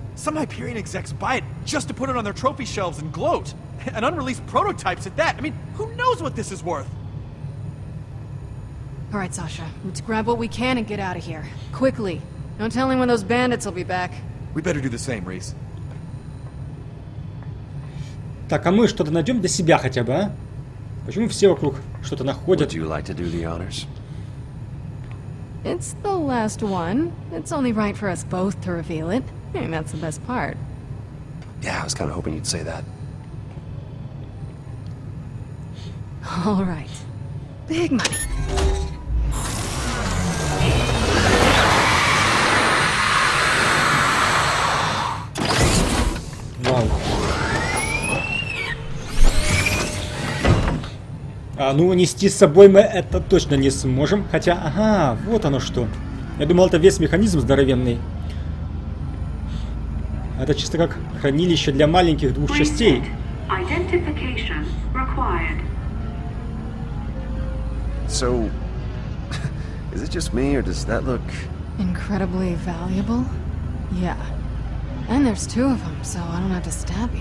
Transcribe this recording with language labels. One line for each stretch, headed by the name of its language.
English: Some Hyperion execs buy it just to put it on their trophy shelves and gloat. And unreleased prototypes at that. I mean, who knows what this is worth? All right, Sasha. Let's grab what we can and get out of here. Quickly. Don't tell anyone those bandits will be back. We better do the same, Reese.
Russian: Так, а мы что-то найдем для себя хотя бы, а? Почему все вокруг что-то находят?
English: Would you like to do the honors? It's the last one. It's only right for us both to reveal it. And that's the best part. Yeah, I was kind of hoping you'd say that. All right. Big money.
Russian: А, ну, нести с собой мы это точно не сможем. Хотя, ага, вот оно что. Я думал, это весь механизм здоровенный. Это чисто как хранилище для маленьких двух частей.
English: Identification required. So, is it just me, or does that look... Incredibly valuable? Yeah. And there's two of them, so I don't have to stab you.